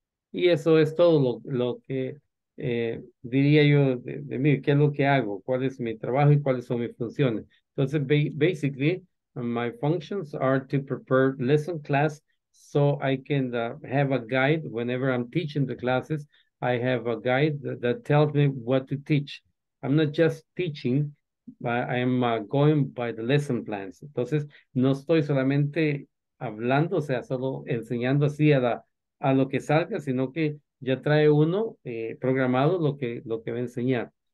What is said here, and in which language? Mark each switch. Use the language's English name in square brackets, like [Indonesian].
[Spanish] Y eso es todo lo que diría yo de mí, ¿qué es lo que hago? ¿Cuál es mi trabajo y cuáles son mis funciones? Entonces, [English] basically, my functions are to prepare lesson class so I can have a guide whenever I'm teaching the classes. I have a guide that tells me what to teach. I'm not just teaching, but I am going by the lesson plans. [Spanish] Entonces, no estoy solamente hablando, o sea, solo enseñando así a lo que salga, sino que ya trae uno programado lo que va a enseñar.